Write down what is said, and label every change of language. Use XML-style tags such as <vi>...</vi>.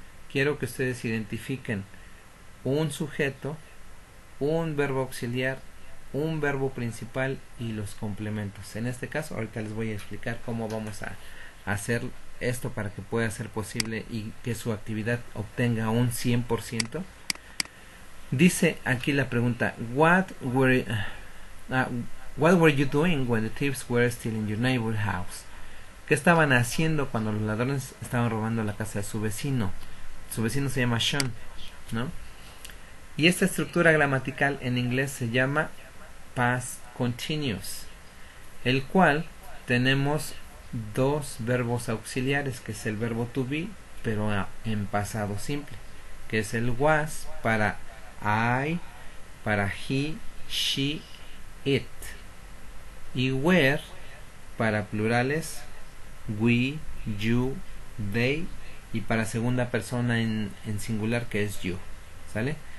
<es>Quiero que ustedes identifiquen un sujeto, un verbo auxiliar, un verbo principal y los complementos. En este caso, ahorita les voy a explicar cómo vamos a hacer esto para que pueda ser posible y que su actividad obtenga un 100%. Dice aquí la pregunta:</es> <en>What were you doing when the thieves were stealing your neighbor's house?</en> <es>¿Qué estaban haciendo cuando los ladrones estaban robando la casa de su vecino? Su vecino se llama Sean, ¿no? Y esta estructura gramatical en inglés se llama past continuous, el cual tenemos dos verbos auxiliares, que es el verbo to be, pero en pasado simple, que es el was para I, para he, she, it, y were para plurales we, you, they, y para segunda persona en singular, que es you, ¿sale?</es>